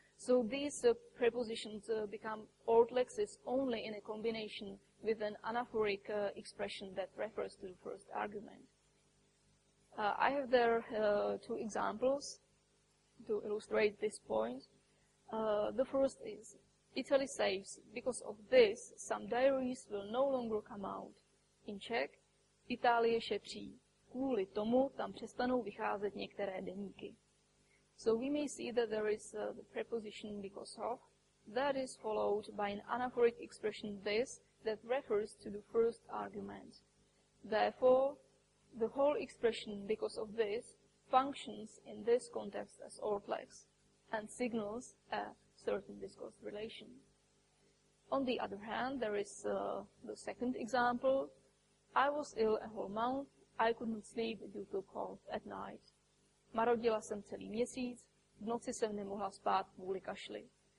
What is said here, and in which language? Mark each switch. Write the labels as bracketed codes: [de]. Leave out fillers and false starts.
[en] So these prepositions become ortlexes only in a combination with an anaphoric expression that refers to the first argument. I have there two examples to illustrate this point. The first is, Italy saves. Because of this, some diaries will no longer come out. [cs] In Czech, Itálie šetří. Kvůli tomu tam přestanou vycházet některé deníky. [en] So we may see that there is the preposition because of, that is followed by an anaphoric expression this, that refers to the first argument. Therefore, the whole expression because of this functions in this context as ortlex and signals a certain discourse relation. On the other hand, there is the second example. I was ill a whole month. I could not sleep due to cold at night. [cs] Marodila jsem celý měsíc, v noci jsem nemohla spát kvůli kašli.